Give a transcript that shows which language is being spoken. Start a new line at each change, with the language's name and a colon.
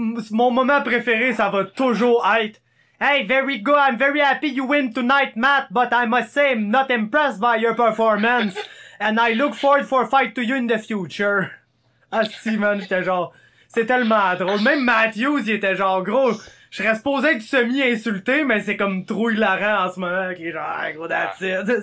French: Mon moment préféré, ça va toujours être...
English: Hey, very good, I'm very happy you win tonight, Matt, but I must say, I'm not impressed by your performance, and I look forward for a fight to you in the future.
French: Ah si, man, j'étais genre, c'est tellement drôle. Même Matthews, il était genre, gros, je serais supposé être semi-insulté, mais c'est comme trop hilarant en ce moment, qui est genre, gros, d'attitude, ouais.